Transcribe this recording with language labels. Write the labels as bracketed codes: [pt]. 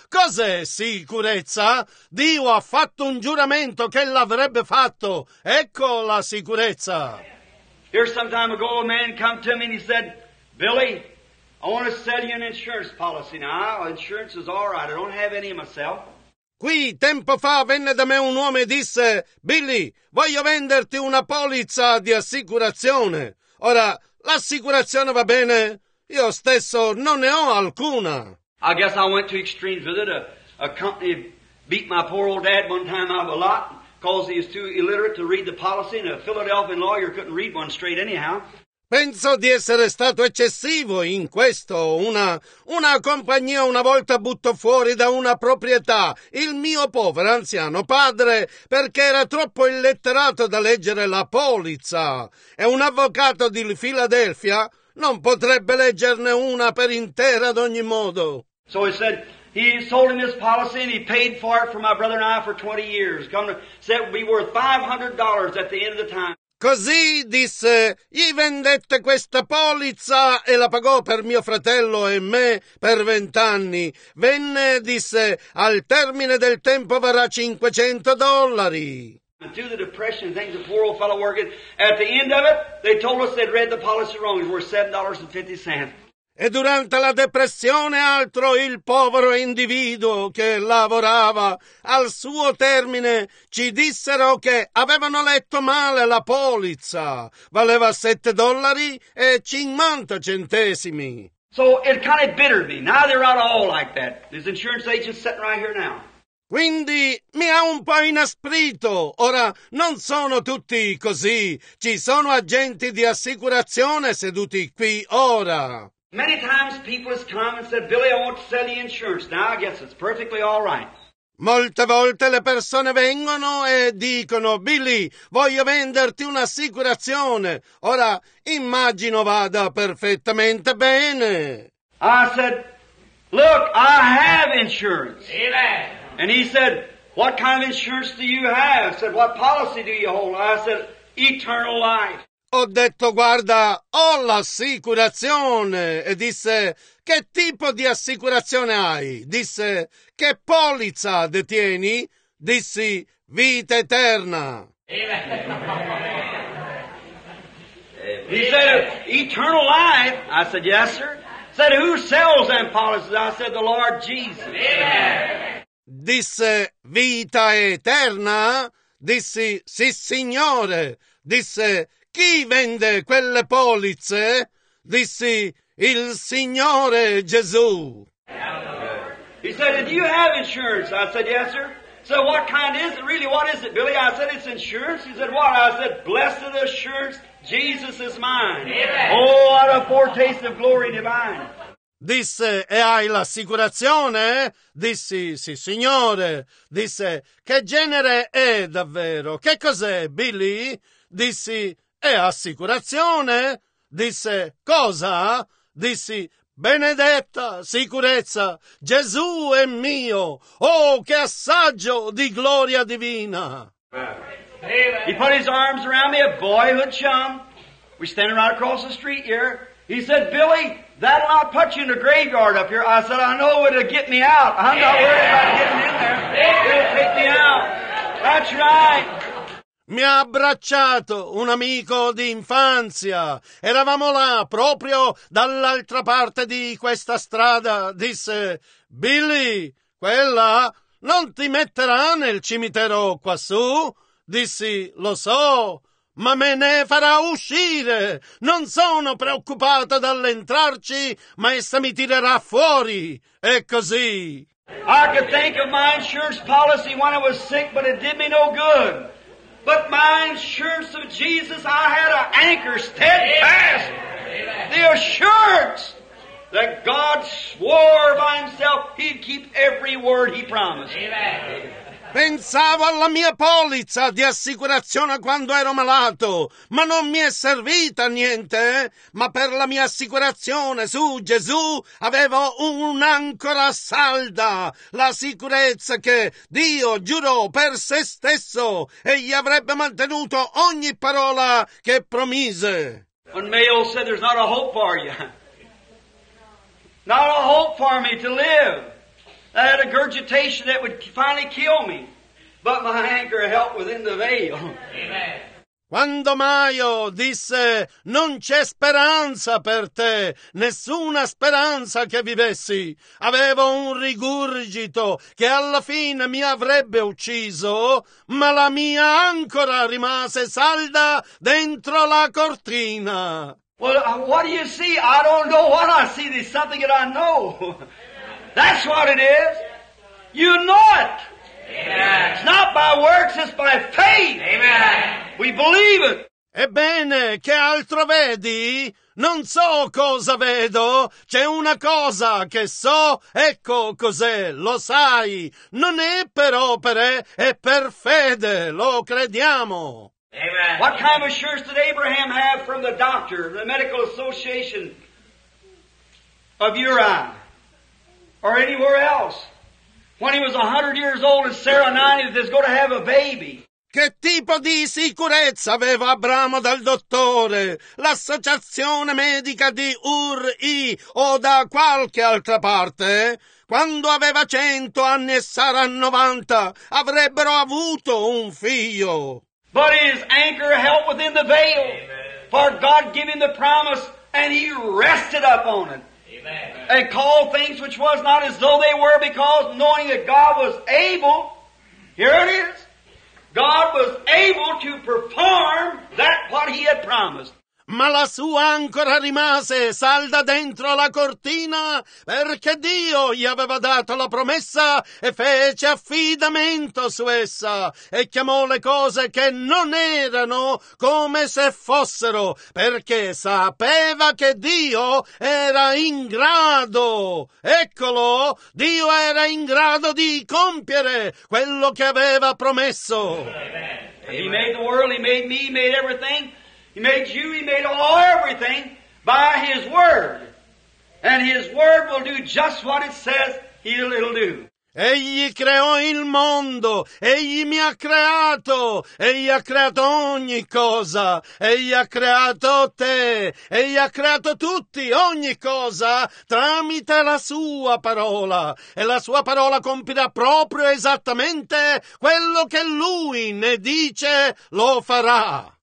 [it] Cos'è sicurezza? Dio ha fatto un giuramento che l'avrebbe fatto. Ecco la sicurezza. [en] Here some time ago a man come to me and he said, Billy, I want to sell you an insurance policy now. Insurance is all right. I don't have any myself. [it] Qui tempo fa venne da me un uomo e disse, Billy, voglio venderti una polizza di assicurazione. Ora, l'assicurazione va bene? Io stesso non ne ho alcuna. [en] I guess I went to extremes with it. A company beat my poor old dad one time out of a lot because he was too illiterate to read the policy and a Philadelphian lawyer couldn't read one straight anyhow. [it] Penso di essere stato eccessivo in questo. Una compagnia una volta buttò fuori da una proprietà il mio povero anziano padre perché era troppo illetterato da leggere la polizza. E un avvocato di Filadelfia non potrebbe leggerne una per intera ad ogni modo. [en] So he said he sold him his policy and he paid for it for my brother and I for 20 years. Come said it would be worth $500 at the end of the time. [it] Così, disse, gli vendette questa polizza e la pagò per mio fratello e me per 20 anni. Venne, disse, al termine del tempo varrà $500. [en] And through the depression and things, the poor old fellow working, at the end of it, they told us they'd read the policy wrong, it was $7.50. [it] E durante la depressione altro il povero individuo che lavorava al suo termine ci dissero che avevano letto male la polizza. Valeva $7.50. [en] So it kind of bittered me. Now they're not all like that. There's insurance agents sitting right here now. [it] Quindi mi ha un po' inasprito. Ora non sono tutti così. Ci sono agenti di assicurazione seduti qui ora. [en] Many times people have come and said, Billy, I want to sell you insurance. Now I guess it's perfectly all right. [it] Molte volte le persone vengono e dicono, Billy, voglio venderti un'assicurazione. Ora immagino vada perfettamente bene. [en] I said, look, I have insurance. Amen. And he said, what kind of insurance do you have? I said, what policy do you hold? I said, eternal life. [it] Ho detto, guarda, ho l'assicurazione. E disse, che tipo di assicurazione hai? Disse, che polizza detieni? Dissi, vita eterna. [en] He said, eternal life. I said, yes, sir. Said, who sells them policies? I said, the Lord Jesus. [it] Disse, vita eterna? Dissi, sì, signore. Disse, chi vende quelle polizze? Dissi, il Signore Gesù. [en] He said, do you have insurance? I said, yes, sir. So what kind is it? Really, what is it, Billy? I said, it's insurance. He said, what? I said, blessed assurance, Jesus is mine. Amen. Oh, what a foretaste of glory divine. [it] Disse, e hai l'assicurazione? Dissi, sì, signore. Disse, che genere è davvero? Che cos'è, Billy? Dissi, e assicurazione? Disse, cosa? Dissi, benedetta sicurezza, Gesù è mio. Oh, che assaggio di gloria divina. [en] He put his arms around me, a boyhood chum. We're standing right across the street here. He said, Billy, That'll not put you in the graveyard up here. I said, I know it'll get me out. I'm not worried about getting in there. It'll take me out. That's right. [it] Mi ha abbracciato un amico di infanzia. Eravamo là, proprio dall'altra parte di questa strada. Disse, Billy, quella non ti metterà nel cimitero quassù? Dissi, lo so, ma me ne farà uscire. Non sono preoccupato dall'entrarci, ma essa mi tirerà fuori. E così. [en] I could think of my insurance policy when I was sick, but it did me no good. But my insurance of Jesus, I had an anchor steadfast. The assurance that God swore by himself he'd keep every word he promised. [it] Pensavo alla mia polizza di assicurazione quando ero malato, ma non mi è servita niente. Ma per la mia assicurazione su Gesù avevo un'ancora salda, la sicurezza che Dio giurò per se stesso e gli avrebbe mantenuto ogni parola che promise. [en] When Mayo said there's not a hope for you, not a hope for me to live. I had a regurgitation that would finally kill me, but my anchor helped within the veil. Amen. [it] Quando Maio disse, non c'è speranza per te, nessuna speranza che vivessi, avevo un rigurgito che alla fine mi avrebbe ucciso, ma la mia ancora rimase salda dentro la cortina. [en] Well, what do you see? I don't know what I see. There's something that I know. That's what it is. You know it. Amen. It's not by works, it's by faith. Amen. We believe it. [it] Ebbene, che altro vedi? Non so cosa vedo. C'è una cosa che so. Ecco cos'è, lo sai. Non è per opere, è per fede. Lo crediamo. Amen. [en] What kind of assurance did Abraham have from the doctor, the medical association of Uri? Or anywhere else. When he was 100 years old and Sarah 90 is going to have a baby. [it] Che tipo di sicurezza aveva Abramo dal dottore, l'associazione medica di Uri o da qualche altra parte? Quando aveva 100 anni e Sara 90 avrebbero avuto un figlio. [en] But his anchor held within the veil. Amen. For God gave him the promise and he rested up on it. Amen. And called things which was not as though they were, because knowing that God was able, here it is, God was able to perform that what he had promised. [it] Ma la sua ancora rimase salda dentro la cortina, perché Dio gli aveva dato la promessa e fece affidamento su essa, e chiamò le cose che non erano come se fossero, perché sapeva che Dio era in grado. Eccolo, Dio era in grado di compiere quello che aveva promesso. Amen. [en] He made the world, he made me, he made everything. He made you, he made all everything by his word. And his word will do just what it says it'll do. [it] Egli creò il mondo, egli mi ha creato, egli ha creato ogni cosa, egli ha creato te, egli ha creato tutti, ogni cosa, tramite la sua parola. E la sua parola compirà proprio esattamente quello che lui ne dice, lo farà.